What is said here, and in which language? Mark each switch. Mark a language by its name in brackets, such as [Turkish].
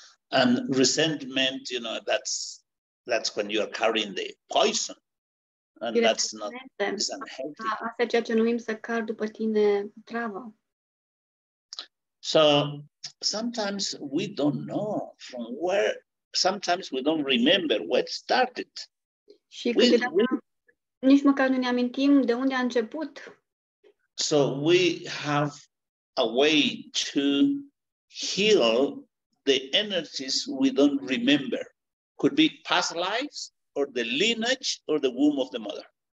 [English] And resentment, you know, that's when you are carrying the poison. And that's not unhealthy. [Romanian] Asta e ceea ce numim să car după tine travă. [English] So sometimes we don't know from where, sometimes we don't remember where it started. [Romanian] Și nici măcar nu ne amintim de unde a început. [English] So we have a way to heal the energies we don't remember. Could be past lives, or the lineage, or the womb of the mother.